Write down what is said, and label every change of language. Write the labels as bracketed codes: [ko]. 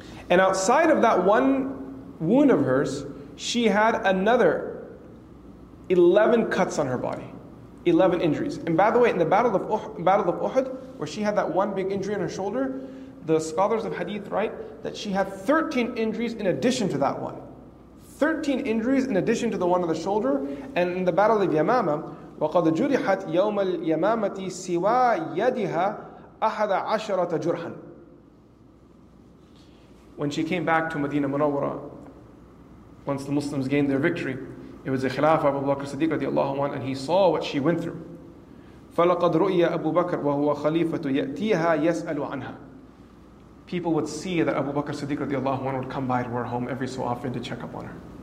[en] And outside of that one wound of hers, she had another 11 cuts on her body. 11 injuries. And by the way, in the Battle of Uhud, where she had that one big injury on her shoulder, the scholars of Hadith write that she had 13 injuries in addition to that one. 13 injuries in addition to the one on the shoulder. And in the Battle of Yamama, [ar] وَقَدْ جُرِحَتْ يَوْمَ الْيَمَامَةِ سِوَى يَدِهَا أَحَدَ عَشَرَةَ جُرْحًا. [en] When she came back to Medina Munawwara, once the Muslims gained their victory, it was the Khilafah of Abu Bakr Siddiq radiallahu anhu, and he saw what she went through. [ar] فَلَقَدْ رُؤِيَ أَبُو بَكْرَ وَهُوَ خَلِيفَةُ يَأْتِيهَا يَسْأَلُ عَنْهَا. [en] People would see that Abu Bakr Siddiq radiallahu anhu would come by to her home every so often to check up on her.